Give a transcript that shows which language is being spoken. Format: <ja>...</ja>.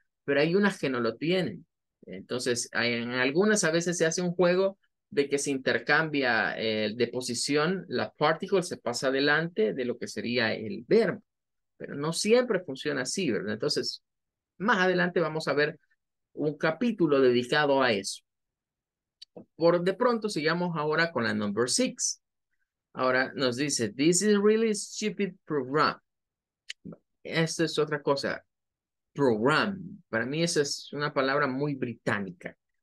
<es>Pero hay unas que no lo tienen. Entonces, en algunas a veces se hace un juego de que se intercambia de posición, la particle se pasa adelante de lo que sería el verbo. Pero no siempre funciona así, ¿verdad? Entonces, más adelante vamos a ver un capítulo dedicado a eso. Por de pronto, sigamos ahora con la number six. Ahora nos dice,</es> <en>this is really stupid program.</en> <es>Esto es otra cosa. Program. Para mí esa es una palabra muy británica.</es>